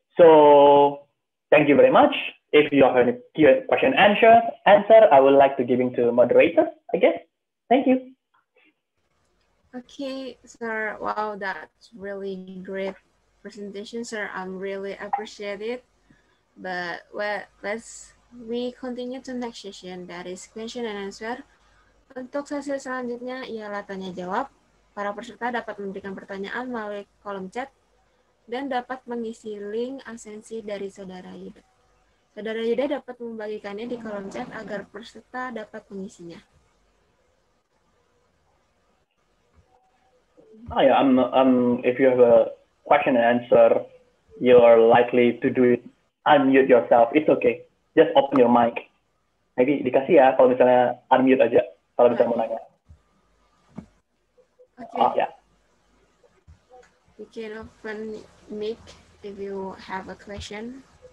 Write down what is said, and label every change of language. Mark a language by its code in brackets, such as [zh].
[en] So thank you very much. If you have any question answer, I would like to give it to moderator, I guess. Thank you. Okay, sir. Wow, that's really great presentation, sir. I'm really appreciate it. But let's continue to next session, that is question and answer. [id] Untuk sesi selanjutnya ialah tanya jawab. Para peserta dapat memberikan pertanyaan melalui kolom chat dan dapat mengisi link asensi dari Saudara Yuda. Saudara Yuda dapat membagikannya di kolom chat agar peserta dapat mengisinya. [en] Oh yeah, if you have a question and answer, you are likely to do it. Unmute yourself. It's okay. Just open your mic. [id] Maybe dikasih ya kalau misalnya unmute aja kalau bisa mau nanya. [en] Okay. You can open mic if you have a question.